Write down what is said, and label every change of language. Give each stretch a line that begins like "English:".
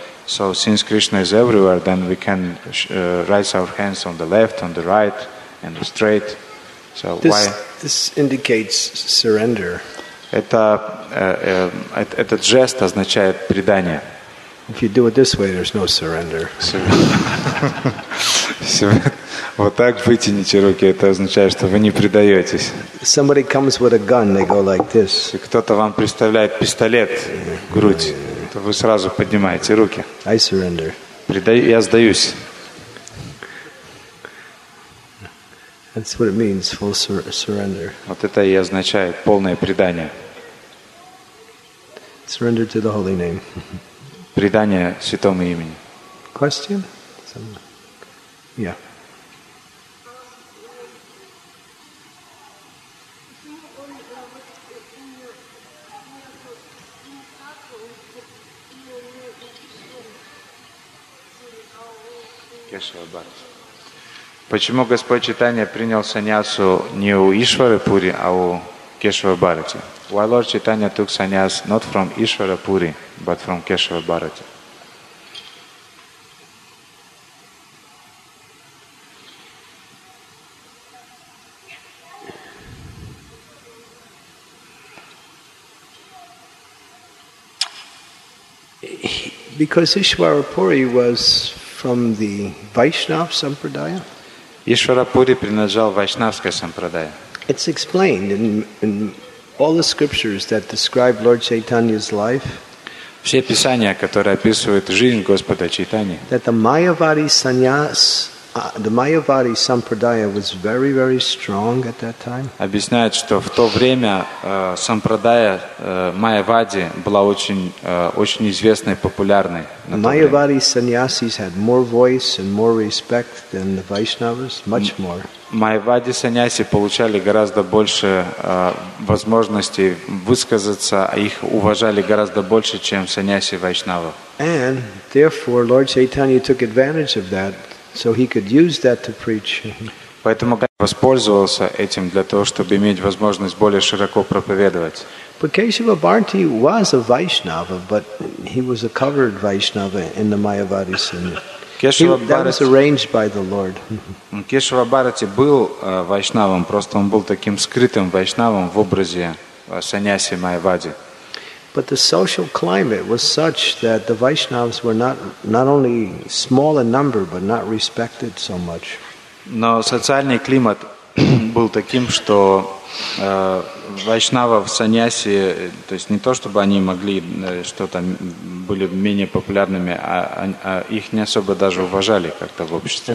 English: So since Krishna is everywhere, then we can raise our hands on the left, on the right, and straight. So why? This indicates surrender.
Russian: Этот жест означает предание.
English: If you do it this way, there's no surrender.
Russian: если вы вот так вытянете руки, это означает, что вы не предаетесь.
English: Like,
Russian: если кто-то вам представляет пистолет в грудь, то вы сразу поднимаете руки.
English: I surrender.
Russian: Я сдаюсь.
English: That's what it means, full surrender.
Russian: Вот это и означает полное предание.
English: Surrender to the holy name.
Russian: Предание святому имени.
English: Question? Some... Yeah.
Russian: Кешава Бхатти. Почему Господь Чайтанья принял саньясу не у Ишвары Пури, а у Кешава Бхарати?
English: Why Lord Chaitanya took sannyas not from Ishvara Puri, but from Kesava Bharati? Because Ishvara Puri was from the Vaishnava Sampradaya.
Russian: Ишвара Пури принадлежал вайшнавской сампрадае.
English: It's explained in all the scriptures that describe Lord Chaitanya's life.
Russian: Все писания, которые описывают жизнь Господа Чайтаньи.
English: That the Mayavadi sannyas, the Mayavadi sampradaya was very, very strong at that time.
Russian: Объясняет, что в то время сампрадая Майявади была очень известной, популярной.
English: Mayavadi sannyasis had more voice and more respect than the Vaishnavas, much more.
Russian: Майявади саньяси получали гораздо больше возможностей высказаться, а их уважали гораздо больше, чем саньяси вайшнава.
English: And therefore, Lord Chaitanya took advantage of that, so he could use that to preach.
Russian: Поэтому Господь воспользовался этим для того, чтобы иметь возможность более широко проповедовать.
English: But Keshava Bharti was a Vaishnava, but he was a covered Vaishnava in the Mayavadi sannyas. That was arranged by the Lord.
Russian: Кешава Бхарати был вайшнавом, просто он был таким скрытым вайшнавом в образе саньяси Майявади.
English: But the social climate was such that the Vaishnavas were not only small in number, but not respected so much.
Russian: Но социальный климат был таким, что вайшнавов, саньяси, то есть не то, чтобы они могли что-то были менее популярными, а их не особо даже уважали как-то в обществе.